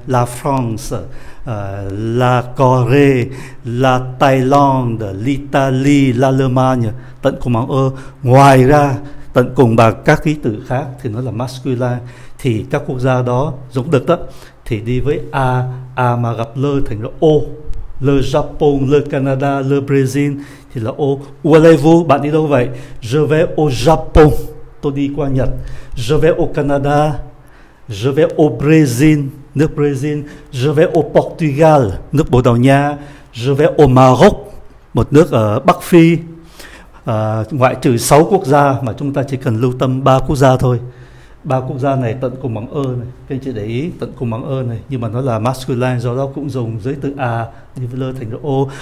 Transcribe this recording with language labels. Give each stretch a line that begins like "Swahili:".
French: La France, La Corée, La Thaïlande, L'Italie, L'Allemagne,
Vietnamese: tận cùng bằng E. Ngoài ra tận cùng bằng các ký tự khác thì nó là masculine. Thì các quốc gia đó giống được đó, thì đi với A, A mà gặp L thành là O.
French: Le Japon, Le Canada, Le Brésil
Vietnamese: thì là O.
French: Où allez-vous?
Vietnamese: Bạn đi đâu vậy?
French: Je vais au Japon.
Vietnamese: Tôi đi qua Nhật.
French: Je vais au Canada. Je vais au Brésil,
Vietnamese: nước Brésil.
French: Je vais au Portugal,
Vietnamese: nước Bồ Đào Nha.
French: Je vais au Maroc,
Vietnamese: một nước ở Bắc Phi. Ngoại trừ 6 quốc gia mà chúng ta chỉ cần lưu tâm 3 quốc gia thôi. 3 quốc gia này tận cùng bằng E này, các anh chị để ý, tận cùng bằng E này, nhưng mà nó là masculine, do đó cũng dùng giới từ A đi với L thành O.